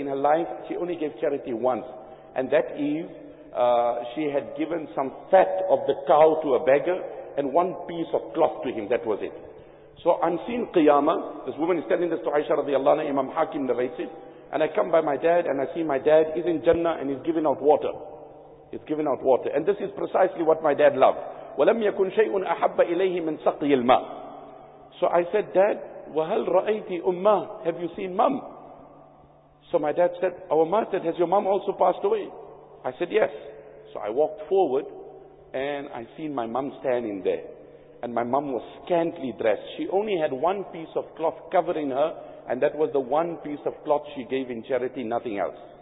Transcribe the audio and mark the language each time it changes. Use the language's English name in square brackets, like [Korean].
[English] In her life, she only gave charity once. And that is, she had given some fat of the cow to a beggar and one piece of cloth to him. That was it. So I'm seeing Qiyamah. This woman is telling this to Aisha radiallahu anha, Imam Hakim narrates it. And I come by my dad and I see my dad is in Jannah and he's giving out water. He's giving out water. And this is precisely what my dad loved. [Arabic] وَلَمْ يَكُنْ شَيْءٌ أَحَبَّ إِلَيْهِ مِنْ سَقْيِ الْمَاءِ [English] So I said, Dad, [Arabic] وَهَلْ رَأَيْتِ أُمَّهُ [English] Have you seen mom? So my dad said, Our mom said, has your mom also passed away? I said, yes. So I walked forward and I seen my mom standing there. And my mom was scantily dressed. She only had one piece of cloth covering her, and that was the one piece of cloth she gave in charity, nothing else.